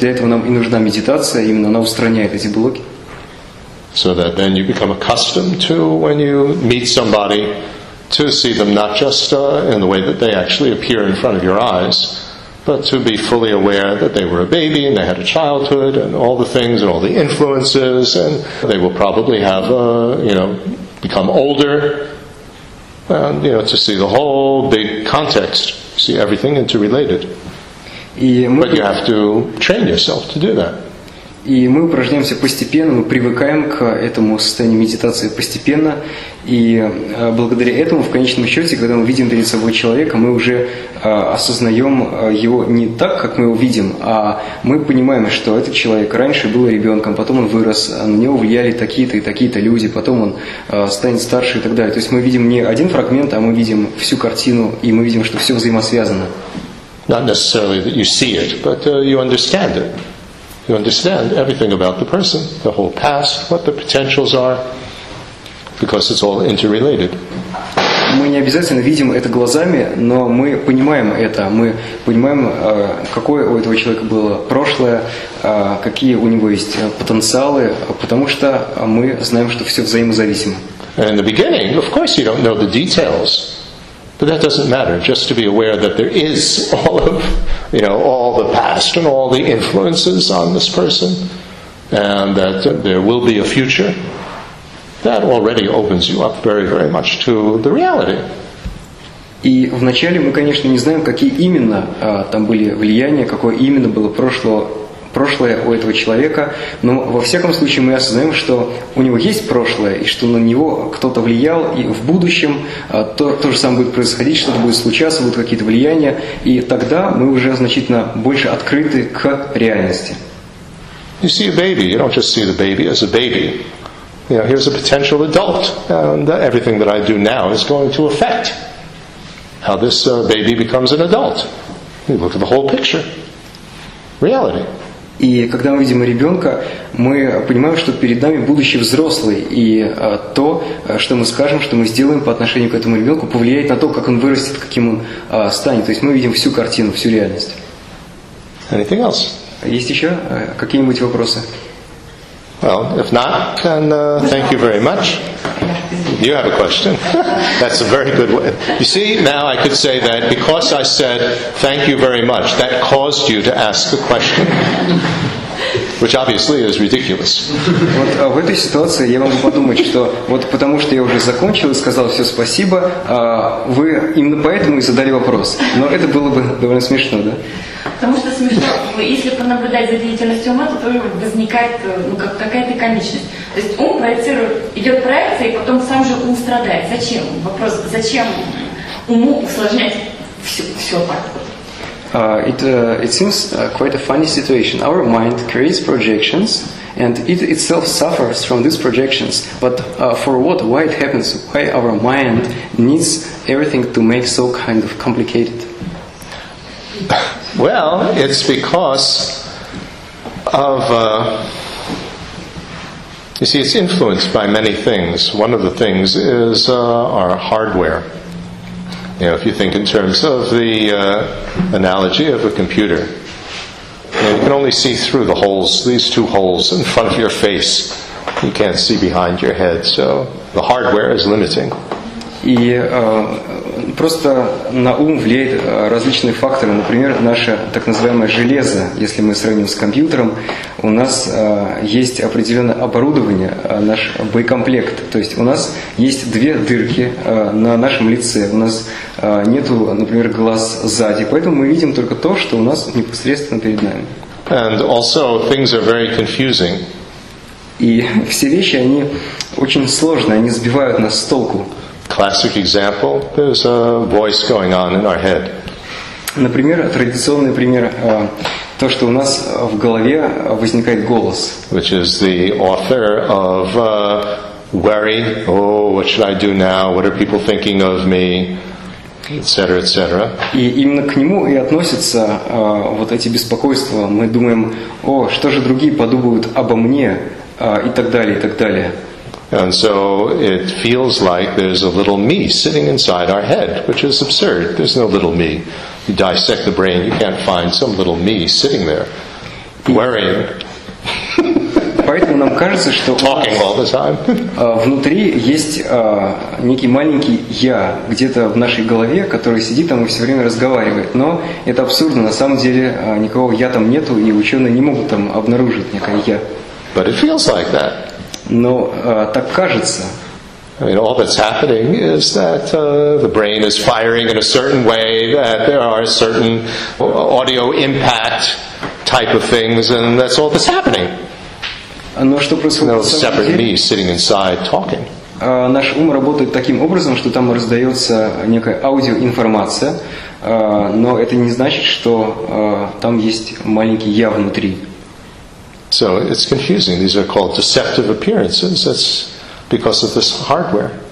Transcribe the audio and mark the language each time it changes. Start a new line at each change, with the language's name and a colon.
Russian: Для этого нам и нужна медитация, именно она устраняет эти блоки.
English: So that then you become accustomed to, when you meet somebody, to see them not just in the way that they actually appear in front of your eyes, but to be fully aware that they were a baby and they had a childhood and all the things and all the influences, and they will probably have become older, and to see the whole big context. See everything interrelated. But you have to train yourself to do that.
Russian: И мы упражняемся постепенно, мы привыкаем к этому состоянию медитации постепенно, и благодаря этому, в конечном счете, когда мы видим перед собой человека, мы уже осознаем его не так, как мы его видим, а мы понимаем, что этот человек раньше был ребенком, потом он вырос, на него влияли такие-то и такие-то люди, потом он станет старше и так далее. То есть мы видим не один фрагмент, а мы видим всю картину, и мы видим, что все взаимосвязано.
English: Not necessarily that you see it, but you understand it. You understand everything about the person, the whole past, what the potentials are, because it's all interrelated.
Russian: Мы не обязательно видим это глазами, но мы понимаем это. Мы понимаем, какое у этого человека было прошлое, какие у него есть потенциалы, потому что мы знаем, что все взаимозависимо.
English: And in the beginning, of course, you don't know the details. But that doesn't matter, just to be aware that there is all of, all the past and all the influences on this person, and that there will be a future, that already opens you up very, very much to the reality.
Russian: И вначале мы, конечно, не знаем, какие именно там были влияния, какое именно было прошлое у этого человека, но во всяком случае мы осознаем, что у него есть прошлое, и что на него кто-то влиял, и в будущем то же самое будет происходить, что-то будет случаться, будут какие-то влияния, и тогда мы уже значительно больше открыты к реальности.
English: You see a baby, you don't just see the baby as a baby. Here's a potential adult, and everything that I do now is going to affect how this baby becomes an adult. You look at the whole picture. Reality.
Russian: И когда мы видим ребенка, мы понимаем, что перед нами будущий взрослый, и то, что мы скажем, что мы сделаем по отношению к этому ребенку, повлияет на то, как он вырастет, каким он станет. То есть мы видим всю картину, всю реальность.
English: Anything else?
Russian: Есть еще какие-нибудь вопросы?
English: Well, if not, then thank you very much. You have a question. That's a very good way. You see, now I could say that because I said thank you very much, that caused you to ask a question, which obviously is ridiculous.
Russian: Вот в этой ситуации я могу подумать, что вот потому что я уже закончил и сказал все спасибо, вы именно поэтому и задали вопрос. Но это было бы довольно смешно, да? Потому что смешно, если понаблюдать за деятельностью ума, то возникает какая-то комичность. То есть ум проецирует, идет проекция, и потом сам же ум страдает. Зачем? Вопрос, зачем уму усложнять все так?
English: It seems quite a funny situation. Our mind creates projections, And it itself suffers from these projections. But for what? Why it happens? Why our mind needs everything to make so kind of complicated? Well, it's because of... you see, it's influenced by many things. One of the things is our hardware. You know, if you think in terms of the analogy of a computer, you know, you can only see through the holes, these two holes in front of your face. You can't see behind your head, so the hardware is limiting.
Russian: И просто на ум влияет различные факторы. Например, наше так называемое железо, если мы сравним с компьютером, у нас есть определенное оборудование, наш боекомплект. То есть у нас есть две дырки на нашем лице. У нас нету, например, глаз сзади. Поэтому мы видим только то, что у нас непосредственно перед нами.
English: And also things are very confusing.
Russian: И все вещи, они очень сложные, они сбивают нас с толку.
English: Classic example, there's a voice going on in our head.
Russian: Например, традиционный пример, то, что у нас в голове возникает голос.
English: Which is the author of worry, oh, what should I do now, what are people thinking of me, etc., etc.
Russian: И именно к нему и относятся вот эти беспокойства. Мы думаем, о, что же другие подумают обо мне, и так далее, и так далее.
English: And so it feels like there's a little me sitting inside our head, which is absurd. There's no little me. You dissect the brain, you can't find some little me sitting there, worrying.
Russian: Поэтому нам кажется, что
English: talking all the time.
Russian: Внутри есть некий маленький я где-то в нашей голове, который сидит там и все время разговаривает. Но это абсурдно. На самом деле никого я там нету, и ученые не могут там обнаружить некое я.
English: But it feels like that.
Russian: Но так кажется.
English: I mean, all that's happening is that the brain is firing in a certain way, that there are certain audio impact type of things, and that's all that's happening.
Russian: Но что происходит?
English: No separate me sitting inside talking.
Russian: Наш ум работает таким образом, что там раздается некая аудиоинформация, но это не значит, что там есть маленький я внутри.
English: So it's confusing. These are called deceptive appearances. That's because of this hardware.